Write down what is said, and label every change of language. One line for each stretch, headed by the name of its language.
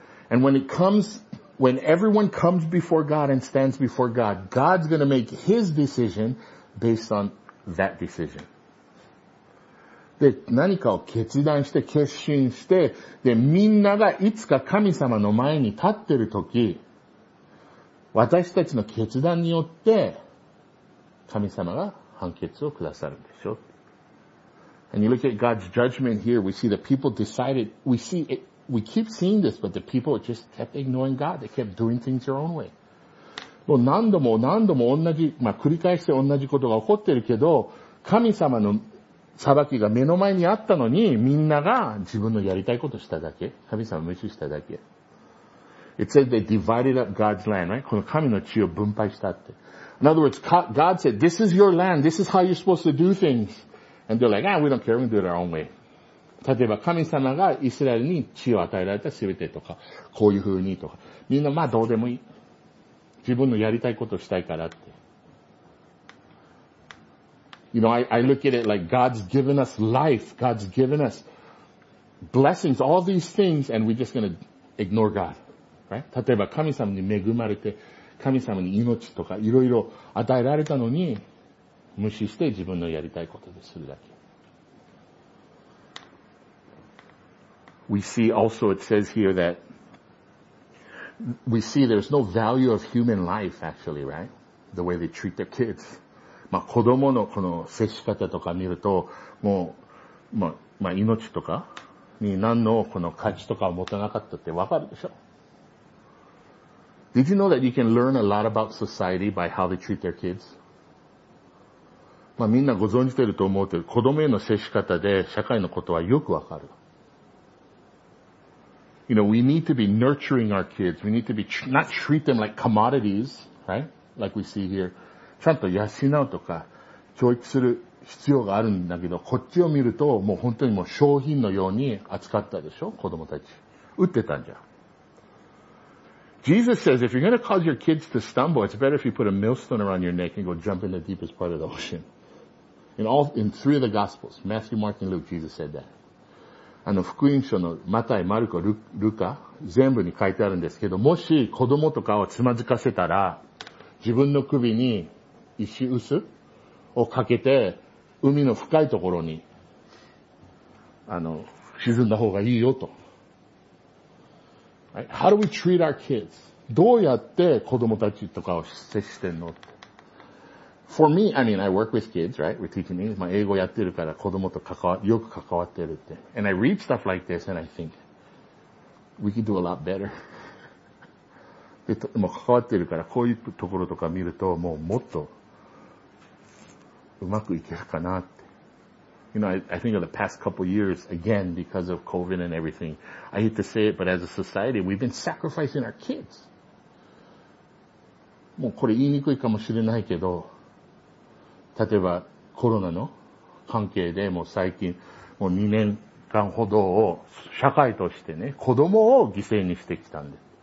English: And when it comes, when everyone comes before God and stands before God, God's going to make His decision based on that decision.
Japanese: で、何かを決断して、決心して、で、みんながいつか神様の前に立ってるとき、私たちの決断によって、神様が判決を下さるんでしょ。
English: And you look at God's judgment here, we see the people decided, we see it, we keep seeing this, but the people just kept ignoring God, they kept doing things their own way.
Japanese: もう何度も何度も同じ、まあ繰り返して同じことが起こってるけど、神様の裁きが目の前にあったのに、みんなが自分のやりたいことしただけ、神様を無視しただけ。
English: It said they divided up God's land, right?
Japanese: この神の地を分配したって。
English: In other words, God said, this is your land, this is how you're supposed to do things. And they're like, ah, we don't care, we'll do it our own way.
Japanese: 例えば神様がイスラエルに地を与えられた全てとか、こういう風にとか。みんなまあどうでもいい。自分のやりたいことをしたいからって。
English: You know, I look at it like God's given us life, God's given us blessings, all these things, and we're just going to ignore God. Right?
Japanese: 例えば神様に恵まれて、神様に命とかいろいろ与えられたのに無視して自分のやりたいことでするだけ。
English: We see also it says here that we see there's no value of human life actually, right? The way they treat their kids.
Japanese: まあ子供のこの接し方とか見るともう、まあ命とかに何のこの価値とかを持たなかったってわかるでしょ。
English: Did you know that you can learn a lot about society by how they treat their kids?
Japanese: まあみんなご存じてると思うけど、子供への接し方で社会のことはよくわかる。
English: You know, we need to be nurturing our kids. We need to be, not treat them like commodities, right? Like we see here.
Japanese: ちゃんと養うとか、教育する必要があるんだけど、こっちを見るともう本当にもう商品のように扱ったでしょ、子供たち。売ってたんじゃん。
English: Jesus says, if you're going to cause your kids to stumble, it's better if you put a millstone around your neck and go jump in the deepest part of the ocean. In three of the Gospels, Matthew, Mark, and Luke, Jesus said that.
Japanese: あの、福音書のマタイ、マルコ、ルカ、全部に書いてあるんですけど、もし子供とかをつまずかせたら、自分の首に石臼をかけて、海の深いところに、沈んだ方がいいよと。
English: Right? How do we treat our kids?
Japanese: どうやって子供たちとかを接してんの?
English: For me, I mean, I work with kids, right? We're teaching English.
Japanese: まあ英語やってるから子供とよく関わってるって。
English: And I read stuff like this and I think, we could do a lot better.
Japanese: で、もう関わってるからこういうところとか見るともうもっとうまくいけるかなって。
English: You know, I think of the past couple years, again, because of COVID and everything, I hate to say it, but as a society, we've been sacrificing our kids.
Japanese: もうこれ言いにくいかもしれないけど、例えばコロナの関係でもう最近、もう2年間ほどを社会としてね、子供を犠牲にしてきたんで。